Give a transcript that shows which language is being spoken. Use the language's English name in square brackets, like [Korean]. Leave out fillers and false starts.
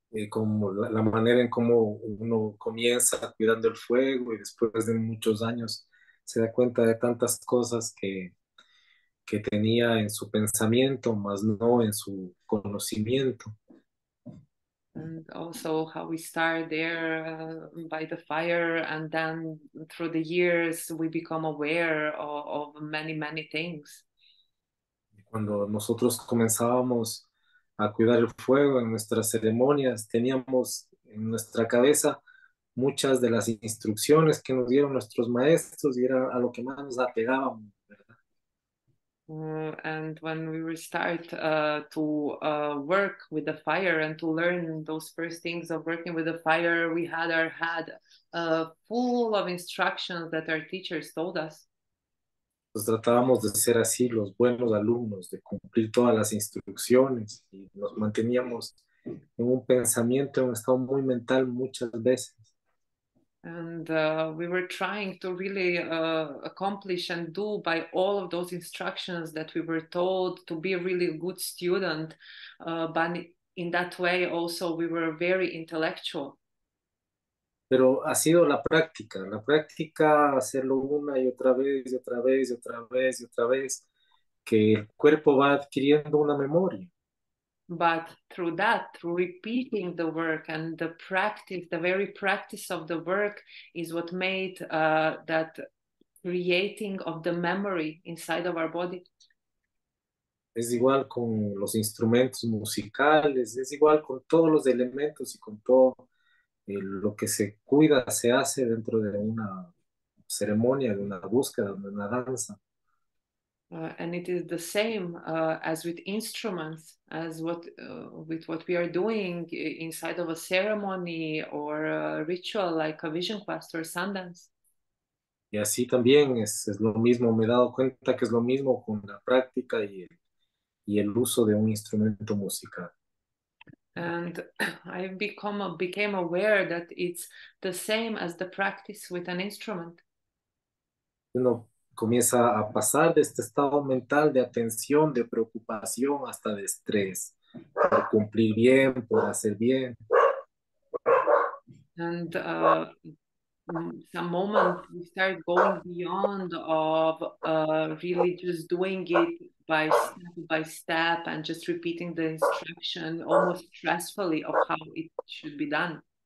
[Spanish] Como la manera en cómo uno comienza cuidando el fuego y después de muchos años se da cuenta de tantas cosas que tenía en su pensamiento, más no en su conocimiento. [English] And also how we start there by the fire, and then through the years we become aware of many, many things. [Spanish] Cuando nosotros comenzábamos a cuidar el fuego en nuestras ceremonias, teníamos en nuestra cabeza muchas de las instrucciones que nos dieron nuestros maestros y era a lo que más nos apegábamos. [English] And when we start to work with the fire and to learn those first things of working with the fire, we had our head full of instructions that our teachers told us. [Spanish] Nos tratábamos de ser así los buenos alumnos, de cumplir todas las instrucciones y nos manteníamos en un pensamiento, en un estado muy mental muchas veces. [English] And we were trying to really accomplish and do by all of those instructions that we were told to be really a good student. But in that way also we were very intellectual. [Spanish] Pero ha sido la práctica hacerlo una y otra vez y otra vez y otra vez y otra vez, que el cuerpo va adquiriendo una memoria. [English] But through that, through repeating the work and the practice, the very practice of the work is what made that creating of the memory inside of our body. [Spanish] Es igual con los instrumentos musicales, es igual con todos los elementos y con todo lo que se cuida, se hace dentro de una ceremonia, de una búsqueda, de una danza. [English] And it is the same as with instruments, as what with what we are doing inside of a ceremony or a ritual like a vision quest or Sundance. [Spanish] Y así también es lo mismo, me he dado cuenta que es lo mismo con la práctica y el uso de un instrumento musical. [English] And I became aware that it's the same as the practice with an instrument. [Spanish] No. Comienza a pasar de este estado mental de atención, de preocupación, hasta de estrés, por cumplir bien, por hacer bien. [English] And some moment we start going beyond of really just doing it by step and just repeating the instruction almost stressfully of how it should be done.